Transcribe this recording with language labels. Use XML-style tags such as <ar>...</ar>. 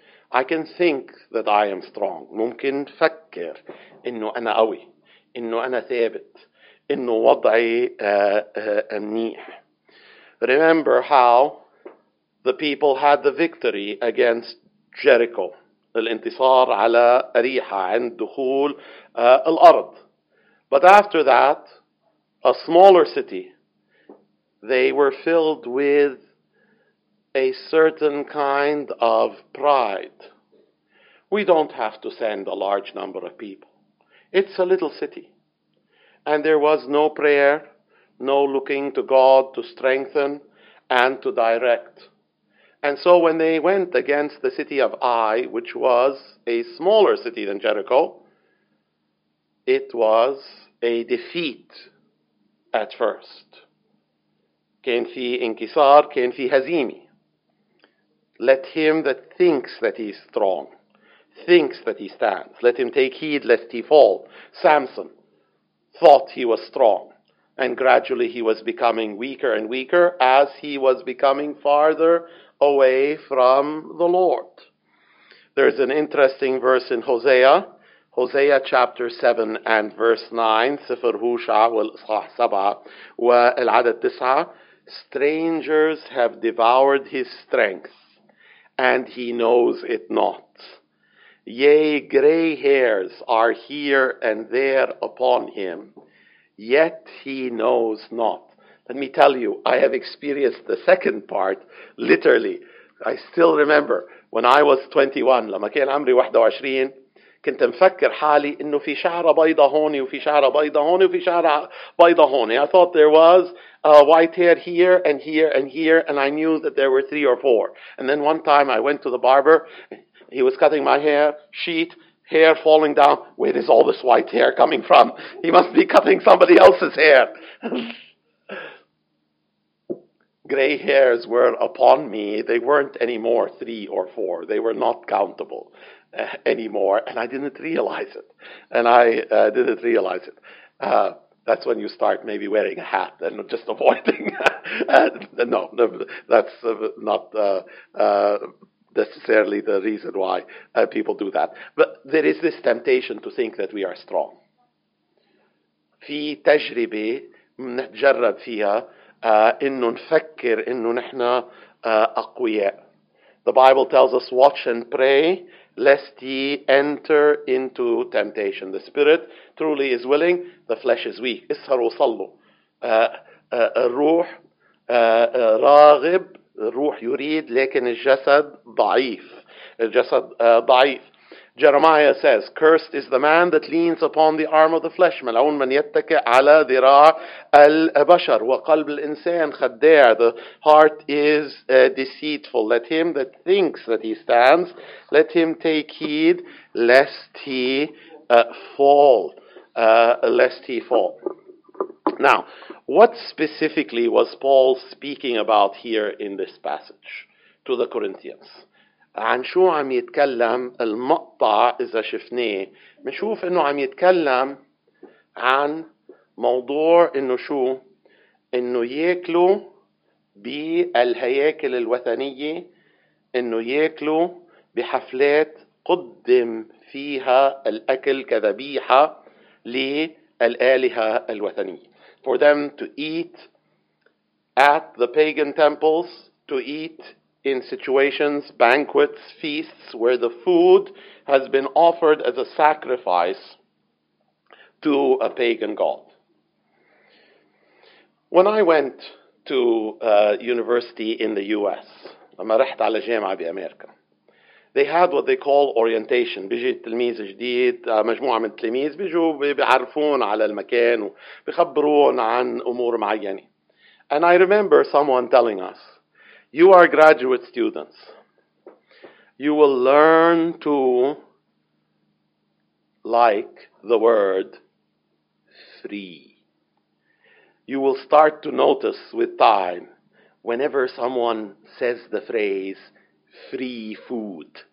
<en>I can think that I am strong.</en> <ar>ممكن فكر إنه أنا قوي. إنه أنا ثابت. إنه وضعي منيح.</ar> <en>Remember how the people had the victory against Jericho.</en> <ar>الانتصار على أريحة عند دخول الأرض.</ar> <en>But after that, a smaller city, they were filled with a certain kind of pride. We don't have to send a large number of people. It's a little city. And there was no prayer, no looking to God to strengthen and to direct. And so when they went against the city of Ai, which was a smaller city than Jericho, it was a defeat at first.</en> <ar>كان في انكسار, كان في هزيمة.</ar> <en>Let him that thinks that he is strong, thinks that he stands. Let him take heed lest he fall. Samson thought he was strong. And gradually he was becoming weaker and weaker as he was becoming farther away from the Lord. There's an interesting verse in Hosea. Hosea chapter 7 and verse 9.</en> <ar>Sifr Husha wal Isha Saba wa al-adad tisa.</ar> <en>Strangers have devoured his strength and he knows it not. Yea, gray hairs are here and there upon him. Yet he knows not. Let me tell you, I have experienced the second part, literally. I still remember when I was 21,</en> <ar>لما كان عمري 21, كنت مفكر حالي إنه في شعرة بيضة هوني وفي شعرة بيضة هوني وفي شعرة بيضة هوني.</ar> <en>I thought there was a white hair here and here and here, and I knew that there were three or four. And then one time I went to the barber, he was cutting my hair, sheet, hair falling down. Where is all this white hair coming from? He must be cutting somebody else's hair. Gray hairs were upon me. They weren't anymore three or four. They were not countable anymore. And I didn't realize it. That's when you start maybe wearing a hat and just avoiding. No, that's not necessarily the reason why people do that. But there is this temptation to think that we are strong.</en> <ar>في تجربة نتجرب فيها إنه نفكر إنه نحن أقوياء.</ar> <en>The Bible tells us, watch and pray, lest ye enter into temptation. The spirit truly is willing, the flesh is weak.</en> <ar>اسهروا صلوا. الروح راغب, الروح يريد, لكن الجسد ضعيف. الجسد ضعيف.</ar> <en>Jeremiah says, cursed is the man that leans upon the arm of the flesh.</en> <ar>ملعون من يتكى على ذراع البشر. وقلب الإنسان خداع.</ar> <en>The heart is deceitful. Let him that thinks that he stands, let him take heed lest he fall. Lest he fall. Now, what specifically was Paul speaking about here in this passage to the Corinthians?</en> <ar>عن شو عم يتكلم المقطع إذا شفناه منشوف إنه عم يتكلم عن موضوع إنه شو إنه يأكلوا بالهياكل الوثنية إنه يأكلوا بحفلات قدم فيها الأكل كذبيحة للآلهة الوثنية.</ar> <en>For them to eat at the pagan temples, to eat in situations, banquets, feasts, where the food has been offered as a sacrifice to a pagan god. When I went to university in the U.S.,</en> <ar>لما رحت على جامعة بأمريكا,</ar> <en>they had what they call orientation.</en> <ar>بيجي تلميذ جديد, مجموعة من التلميذ بيجوا بيعرفون على المكان وبيخبرون عن أمور معينة.</ar> <en>And I remember someone telling us, you are graduate students. You will learn to like the word free. You will start to notice with time whenever someone says the phrase free food.</en>